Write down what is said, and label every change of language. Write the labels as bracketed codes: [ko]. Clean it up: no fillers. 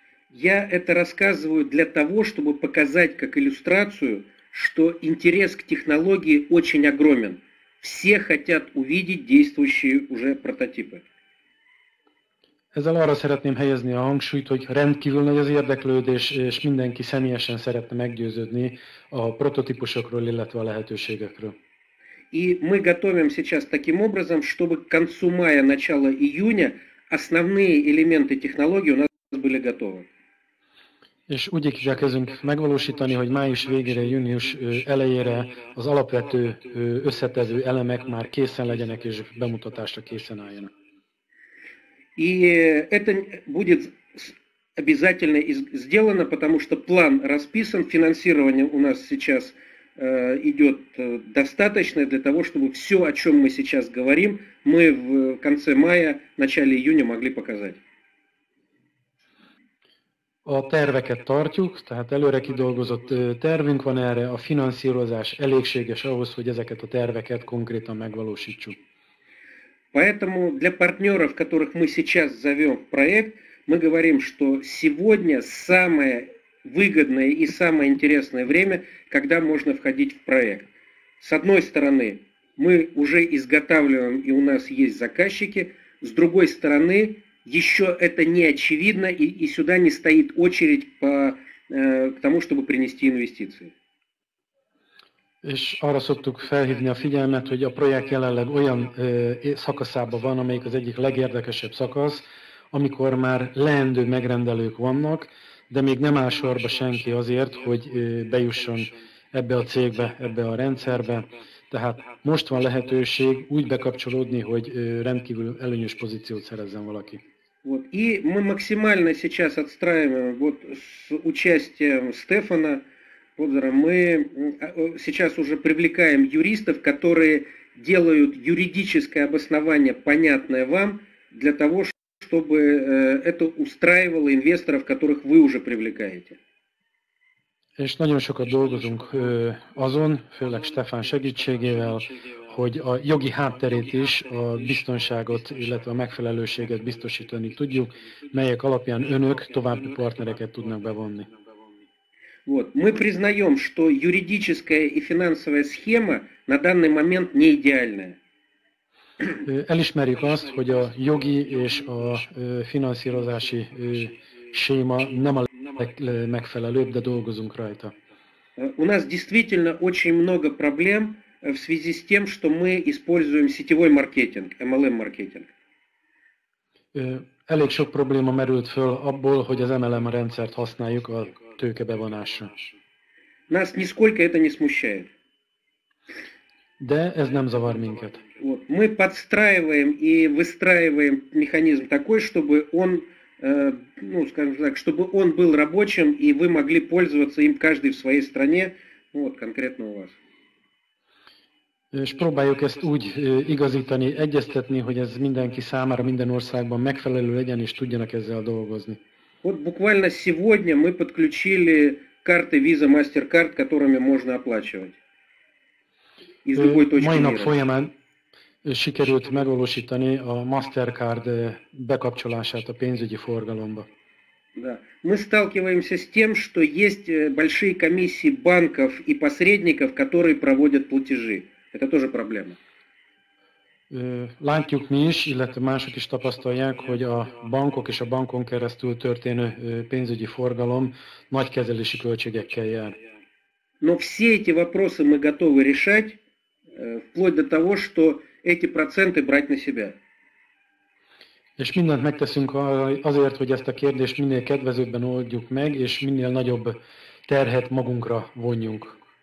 [ru] Я это рассказываю для того, чтобы показать как иллюстрацию, что интерес к технологии очень огромен. Все хотят увидеть действующие уже прототипы. [hu] Ezzel arra szeretném helyezni a hangsúlyt, hogy rendkívül nagy az érdeklődés, és mindenki személyesen szeretne meggyőződni a prototípusokról, illetve a lehetőségekről. [ru] И мы готовим сейчас таким образом, чтобы к концу мая, начало июня основные элементы технологии у нас были готовы. [hu] És úgy igyekezünk megvalósítani, hogy május végére, június elejére az alapvető összetevő elemek már készen legyenek és bemutatásra készen álljanak. [ru] И это будет обязательно сделано, потому что план расписан, финансирование у нас сейчас идет достаточное для того, чтобы все, о чем мы сейчас говорим, мы в конце мая, начале июня могли показать. [hu] A terveket tartjuk, tehát előre kidolgozott tervünk van erre, a finanszírozás elégséges ahhoz, hogy ezeket a terveket konkrétan megvalósítsuk. [ru] Поэтому для партнеров, которых мы сейчас зовем в проект, мы говорим, что сегодня самое выгодное и самое интересное время, когда можно входить в проект. С одной стороны, мы уже изготавливаем и у нас есть заказчики, с другой стороны, еще это не очевидно и сюда не стоит очередь к тому, чтобы принести инвестиции. [hu] És arra szoktuk felhívni a figyelmet, hogy a projekt jelenleg olyan szakaszában van, amelyik az egyik legérdekesebb szakasz, amikor már leendő megrendelők vannak, de még nem áll sorba senki azért, hogy bejusson ebbe a cégbe, ebbe a rendszerbe. Tehát most van lehetőség úgy bekapcsolódni, hogy rendkívül előnyös pozíciót szerezzen valaki. [ru] И мы максимально сейчас отстраиваем вот с участием Стефана. Мы сейчас уже привлекаем юристов, которые делают юридическое обоснование, понятное вам, для того, чтобы это устраивало инвесторов, которых вы уже привлекаете. [hu] És nagyon sokat dolgozunk azon, főleg Stefan segítségével, hogy a jogi hátterét is, a biztonságot, illetve a megfelelőséget biztosítani tudjuk, melyek alapján önök további partnereket tudnak bevonni. [ru] Вот. Мы признаем, что юридическая и финансовая схема на данный момент не идеальная. [hu] Elismerjük azt, hogy a jogi és a finanszírozási schéma nem a legmegfelelőbb, de dolgozunk rajta. [ru] У нас действительно очень много проблем в связи с тем, что мы используем сетевой маркетинг, MLM-маркетинг. [hu] Elég sok probléma merült föl abból, hogy az MLM rendszert használjuk a tőke bevonásra. [ru] Нас нисколько это не смущает. [hu] De ez nem zavar minket. [ru] Мы подстраиваем и выстраиваем механизм такой, чтобы он, ну, скажем так, чтобы он был рабочим, и вы могли пользоваться им каждый в своей стране, вот, конкретно у вас. [hu] És próbáljuk ezt úgy igazítani, egyeztetni, hogy ez mindenki számára, minden országban megfelelő legyen, és tudjanak ezzel dolgozni. [ru] Вот буквально сегодня мы подключили карты Visa MasterCard, которыми можно оплачивать. Из любой точки мира. [hu] Майнап фойемен sikerült megvalósítani a MasterCard bekapcsolását a pénzügyi forgalomba. [ru] Да. Мы сталкиваемся с тем, что есть большие комиссии банков и посредников, которые проводят платежи. Это тоже проблема. [hu] Látjuk mi is, illetve mások is tapasztalják, hogy a bankok és a bankon keresztül történő pénzügyi forgalom nagy kezelési költségekkel jár. [ru] Но все эти вопросы мы готовы решать, вплоть до того, что эти проценты брать на себя. [hu] És mindent megteszünk azért, hogy ezt a kérdést minél kedvezőbben oldjuk meg, és minél nagyobb terhet magunkra vonjunk.